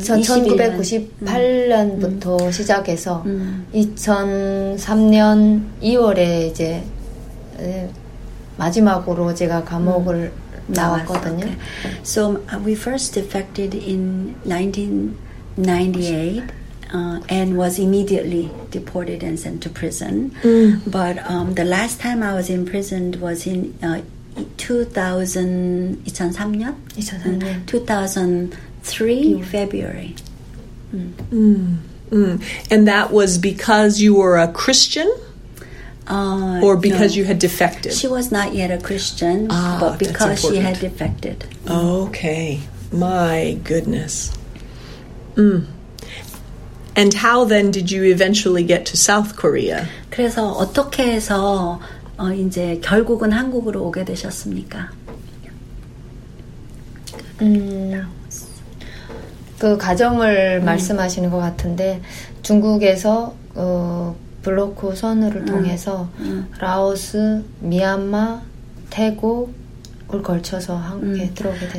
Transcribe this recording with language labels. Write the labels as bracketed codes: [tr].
[ko] 1998년부터 시작해서 2003년 2월에 이제 마지막으로 제가 감옥을 나왔거든요. [en] Okay. So we first defected in 1998 and was immediately deported and sent to prison. But the last time I was imprisoned was in 2003 February. And that was because you were a Christian? Or because you had defected? She was not yet a Christian, but because she had defected. Okay. My goodness. Mm. And how then did you eventually get to South Korea? [ko] 그래서 어떻게 해서 이제 결국은 한국으로 오게 되셨습니까? 그 과정을 말씀하시는 것 같은데 중국에서 블로크 선우를 통해서 라오스, 미얀마, 태국을 걸쳐서 한국에 들어오게 됐습니다.